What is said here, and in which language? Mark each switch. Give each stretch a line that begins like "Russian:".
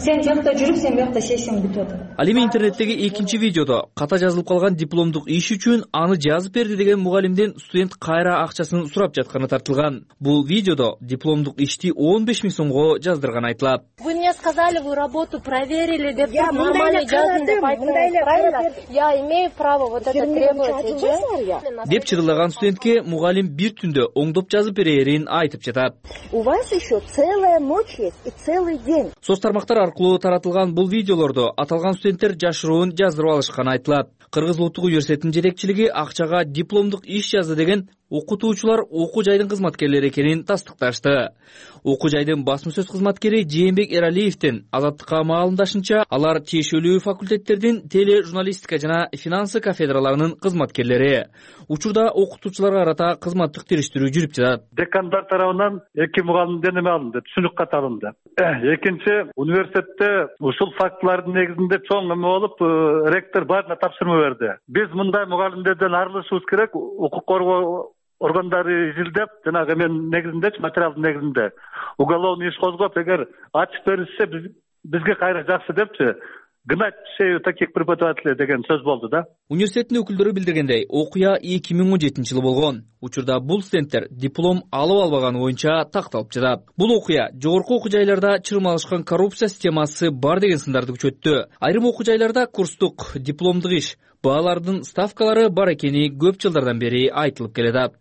Kyrgyz: Сен жакта жүрүп, сен биякта сессияң бүтүп атат. Ал эми интернеттеги экинчи видеодо ката жазылып калган дипломдук иш үчүн аны жазып берди деген мугалимден студент кайра акчасын сурап жатканы тартылган. Бул видеодо дипломдук ишти 15000 сомго жаздырганы айтылат.
Russian: Вы мне сказали, вы работу проверили, деп
Kyrgyz: нормально жаздым деп айтылат.
Russian: Я имею право вот это требовать,
Kyrgyz: деп чырылдаган студентке мугалим бир түндө оңдоп жазып берерин айтып жатат.
Russian: У вас еще целая ночь есть. Целый день.
Kyrgyz: Соц тармактар аркылуу таратылган бул видеолордо аталган студенттер жашыруун жаздырып алышканы айтылат. Кыргыз улуттук университетинин жетекчилиги акчага дипломдук иш жазды деген окутуучулар окуу жайдын кызматкерлери экенин тастыкташты. Окуу жайдын басма сөз кызматкери Жээнбек Эралиевтин Азаттыкка маалымдашынча, алар тиешелүү факультеттердин теле журналистика жана финансы кафедраларынын кызматкерлери. Учурда окутуучуларга карата кызматтык териштирүү жүрүп жатат. Декандар тарабынан эки мугалимден эме алынды, түшүнүк кат алынды. Экинчи, университетте ушул фактылардын негизинде чоң эме болуп, ректор баарына тапшырма берди. Биз мындай мугалимдерден арылышыбыз керек, укук коргоо органдары изилдеп, жанагы мен негизиндечи материалдын негизинде уголовный иш козгоп, эгер ачып беришсе бизге кайра жакшы депчи.
Russian: Гнать шею таких преподавателей
Kyrgyz: деген сөз болду да. Университеттин өкүлдөрү билдиргендей, окуя 2017 жылы болгон. Учурда бул студенттер диплом алып албаганы боюнча такталып жатат. Бул окуя жогорку окуу жайларда чырмалышкан коррупция системасы бар деген сындарды күчөттү. Айрым окуу жайларда курстук, дипломдук иш баалардын ставкалары бар экени көп жылдардан бери айтылып келеда.